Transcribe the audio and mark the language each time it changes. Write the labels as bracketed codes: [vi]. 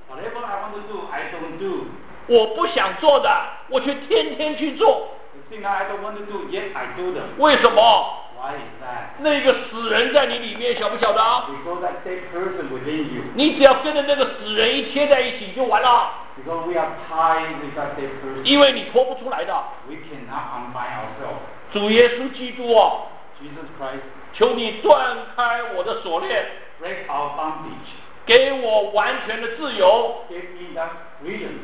[en] Whatever I want to do, I don't do. [zh] 我不想做的，我却天天去做。 [en] The thing I don't want to do, yet I do them. [zh] 为什么？ [en] Why is that? [zh] 那个死人在你里面，晓不晓得？ [en] Because that dead person within you. [zh] 你只要跟着那个死人一贴在一起，就完了。 [en] Because we are tied with that dead person. [zh] 因为你脱不出来的。 [en] We cannot unbind ourselves. [zh] 主耶稣基督啊 [en] ，Jesus Christ， [zh] 求你断开我的锁链 [en] ，Break our bondage， [zh] 给我完全的自由 [en] ，Give me that freedom.